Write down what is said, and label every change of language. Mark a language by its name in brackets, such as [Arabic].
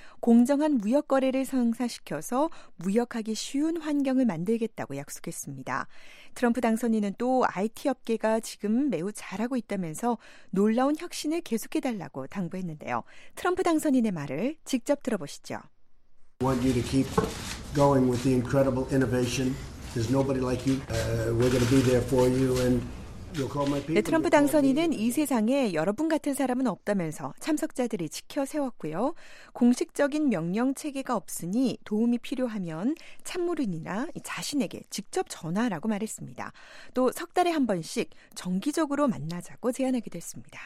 [Korean] 공정한 무역 거래를 성사시켜서 무역하기 쉬운 환경을 만들겠다고 약속했습니다. 트럼프 당선인은 또 IT 업계가 지금 매우 잘하고 있다면서 놀라운 혁신을 계속해 달라고 당부했는데요. 트럼프 당선인의 말을 직접 들어보시죠. [English] I want you to keep going with the incredible innovation. There's nobody like you. We're going to be there for you and [Korean] 네, 트럼프 당선인은 이 세상에 여러분 같은 사람은 없다면서 참석자들이 지켜 세웠고요. 공식적인 명령 체계가 없으니 도움이 필요하면 참모인이나 자신에게 직접 전화라고 말했습니다. 또 석 달에 한 번씩 정기적으로 만나자고 제안하기도 했습니다.